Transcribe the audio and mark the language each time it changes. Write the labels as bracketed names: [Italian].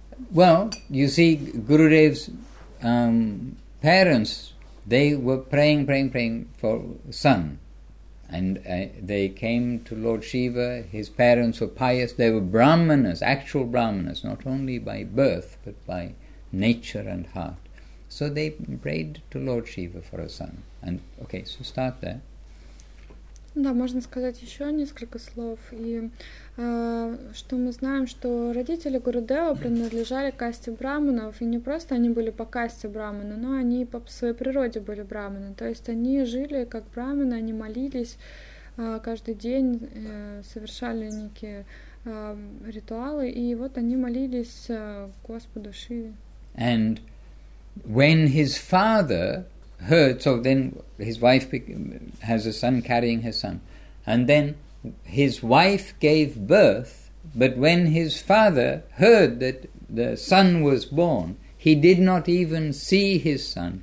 [English] Well, you see, Gurudev's parents, they were praying for son, and they came to Lord Shiva. His parents were pious, they were brahmanas, actual brahmanas, not only by birth but by nature and heart. So they prayed to Lord Shiva for a son. And okay, so start there. [Russian] Да, можно сказать еще несколько слов. И что мы знаем, что родители Гурудева принадлежали к касте брахманов, и не просто они были по касте брахмана, но они по своей природе были брахманы. То есть они жили как брахманы, они молились каждый день, совершали некие ритуалы, и вот они молились Господу Шиве. [English] And when his father heard, so then his wife has a son carrying her son, and then his wife gave birth, but when his father heard that the son was born, he did not even see his son.